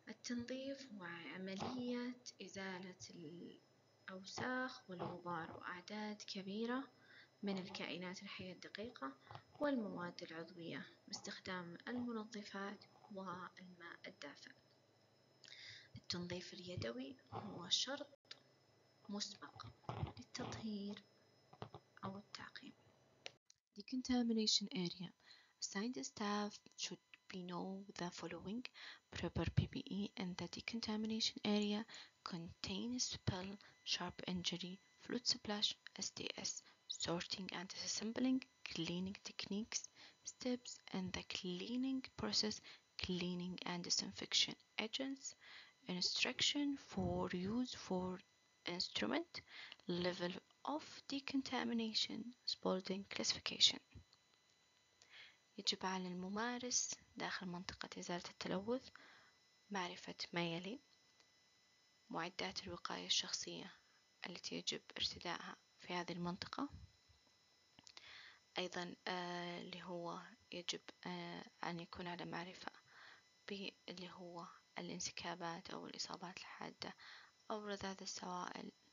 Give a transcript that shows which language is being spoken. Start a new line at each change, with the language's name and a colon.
Arabic: التنظيف وعملية إزالة الأوساخ والغبار وأعداد كبيرة من الكائنات الحية الدقيقة والمواد العضوية باستخدام المنظفات والماء الدافئ. التنظيف اليدوي هو شرط مسبق للتطهير أو التعقيم.
English: Decontamination area. Assigned staff should be know the following. Proper PPE in the decontamination area contain spill, sharp injury, fluid splash, STS, sorting and disassembling, cleaning techniques, steps in the cleaning process, cleaning and disinfection agents, instruction for use for instrument, level of decontamination, spalling classification.
Arabic: يجب على الممارس داخل منطقة إزالة التلوث معرفة ما يلي: معدات الوقاية الشخصية التي يجب ارتدائها في هذه المنطقة، أيضا اللي هو يجب أن يكون على معرفة باللي هو الانسكابات أو الإصابات الحادة أو رذاذ السوائل